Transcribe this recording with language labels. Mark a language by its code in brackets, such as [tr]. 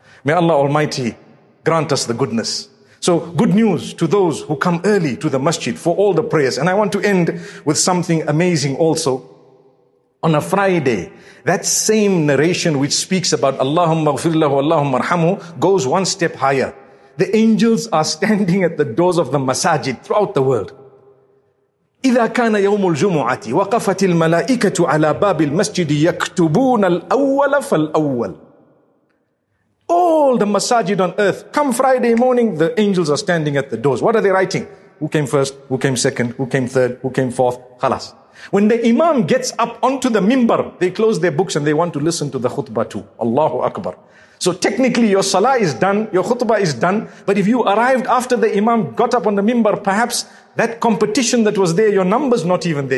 [en] May Allah Almighty grant us the goodness. So good news to those who come early to the masjid for all the prayers. And I want to end with something amazing also. On a Friday, that same narration which speaks about Allahumma ghfir lahu, Allahumma arhamu, goes one step higher. The angels are standing at the doors of the masajid throughout the world. [ar] إذا كان يوم الجمعة وقفت الملائكة على باب المسجد يكتبون الأول فالأول. [en] All the masajid on earth, come Friday morning, the angels are standing at the doors. What are they writing? Who came first? Who came second? Who came third? Who came fourth? خلاص. When the imam gets up onto the minbar, they close their books and they want to listen to the khutbah too. Allahu Akbar. So technically your salah is done, your khutbah is done. But if you arrived after the imam got up on the minbar, perhaps that competition that was there, your number's not even there.